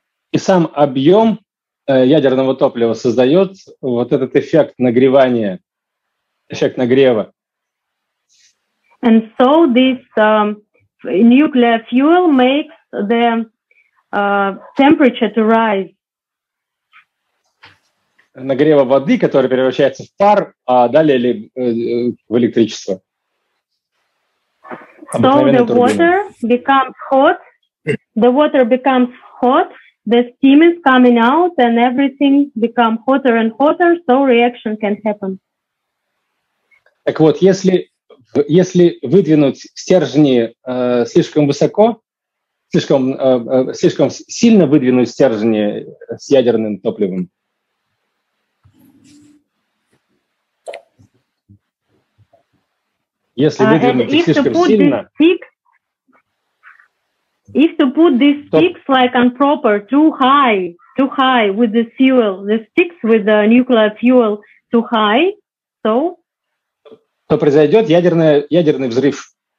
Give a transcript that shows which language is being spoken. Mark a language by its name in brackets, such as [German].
[Russian] И сам объем ядерного топлива создает вот этот эффект нагревания, эффект нагрева. [English] And so this nuclear fuel makes the temperature to rise. [Russian] Нагрева воды, которая превращается в пар, а далее в электричество. [English] So the water becomes hot. The water becomes hot. The steam is coming out, and everything becomes hotter and hotter, so reaction can happen. [Russian] Так вот, если выдвинуть стержни слишком высоко, слишком сильно выдвинуть стержни с ядерным топливом. Если [English] If to put these sticks like improper, too high with the fuel, the sticks with the nuclear fuel too high, so? [Russian] То произойдет ядерный взрыв.